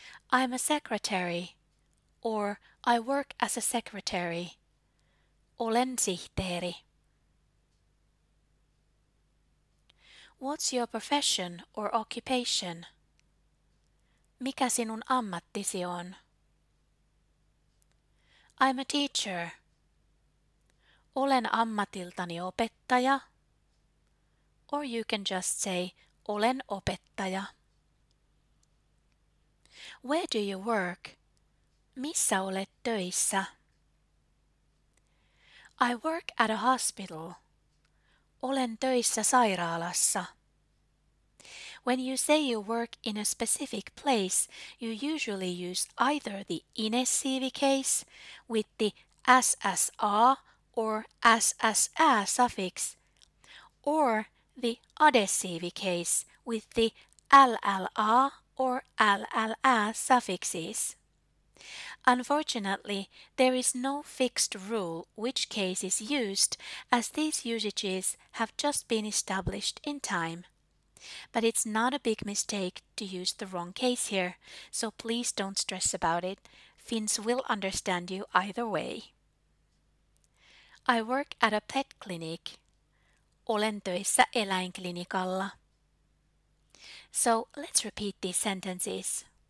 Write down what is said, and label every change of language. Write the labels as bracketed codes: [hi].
[en] I'm a secretary, or I work as a secretary. [fi] Olen sihteeri. [en] What's your profession or occupation? [fi] Mikä sinun ammattisi on? [en] I'm a teacher. [fi] Olen ammatiltani opettaja. [en] Or you can just say, [fi] olen opettaja. [en] Where do you work? [fi] Missä olet töissä? [en] I work at a hospital. [fi] Olen töissä sairaalassa. [en] When you say you work in a specific place, you usually use either the ine sieve case with the SSA or SSÄ suffix, or the adhesive case with the LLA or LLÄ suffixes. Unfortunately, there is no fixed rule which case is used, as these usages have just been established in time. But it's not a big mistake to use the wrong case here, so please don't stress about it. Finns will understand you either way. I work at a pet clinic. [fi] Olen töissä eläinklinikalla. [en] So, let's repeat these sentences.